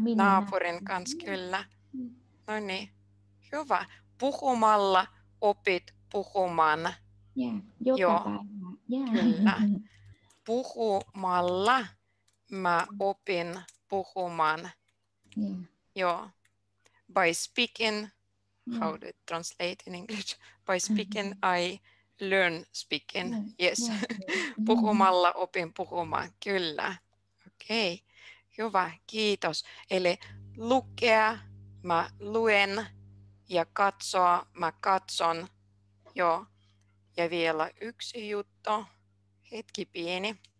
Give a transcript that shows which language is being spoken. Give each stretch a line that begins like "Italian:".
Finnish: minä. Naapurin kanssa, kyllä. No niin, hyvä. Puhumalla opit puhumaan. Yeah, joka päivä. Yeah. Kyllä. Puhumalla mä opin puhumaan. Yeah. Joo.
English: By speaking, how to translate in English? By speaking I learn speaking. Yes.
Finnish: Puhumalla opin puhumaan. Kyllä. Okei. Okay. Hyvä. Kiitos. Eli lukea mä luen ja katsoa mä katson. Joo. Ja vielä yksi juttu. Hetki pieni.